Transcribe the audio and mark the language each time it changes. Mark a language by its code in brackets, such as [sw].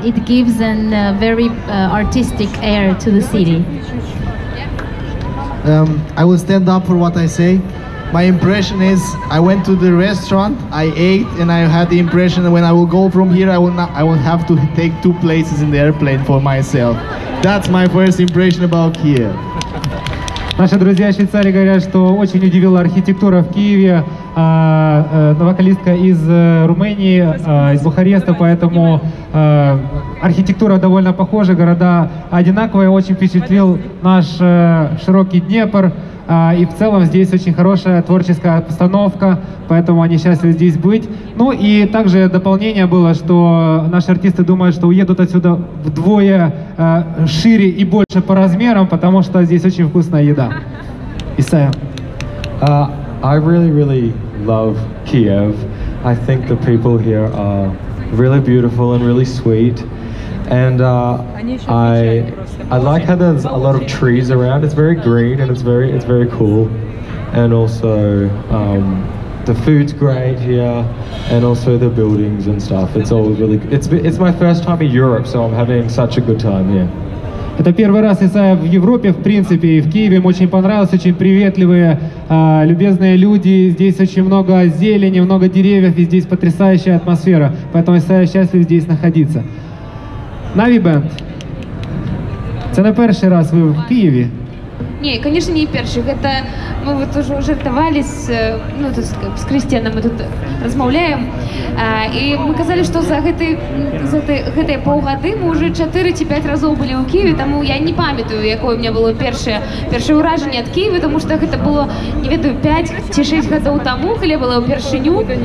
[en] It gives a very artistic air to the city. I will stand up for what I say. My impression is, I went to the restaurant, I ate, and I had the impression that when I will go from here, I will have to take two places in the airplane for myself. That's my first impression about Kyiv. [ru] Наши друзья в Швейцарии говорят, что очень удивила архитектура в Киеве. Вокалистка из Румынии, из Бухареста, поэтому архитектура довольно похожа, города одинаковые. Очень впечатлил наш широкий Днепр. И в целом здесь очень хорошая творческая обстановка, поэтому они счастливы здесь быть. Ну и также дополнение было, что наши артисты думают, что уедут отсюда вдвое шире и больше по размерам, потому что здесь очень вкусная еда. Исайя. [en] I really, really love Kyiv. I think the people here are really beautiful and really sweet. And I like how there's a lot of trees around. It's very green and it's very cool. And also the food's great here, and also the buildings and stuff. It's all really. It's my first time in Europe, so I'm having such a good time here. [ru] Это первый раз, Исайя, в Европе, в принципе, и в Киеве. Им очень понравилось, очень приветливые, любезные люди. Здесь очень много зелени, много деревьев, и здесь потрясающая атмосфера. Поэтому Исайя счастлив здесь находиться. Navi Band. [uk] Це не перший раз ви в Києві? Ні, звісно, не перший. Це ми вот уже жартувались, ну, з Крістіаном ми тут розмовляємо. І ми казали, що за ці півгоди ми вже 4-5 разів були у Києві, тому я не пам'ятаю, яке у мене було перше враження від Києва, тому що це було, не знаю, 5-6 років тому, коли було першиню.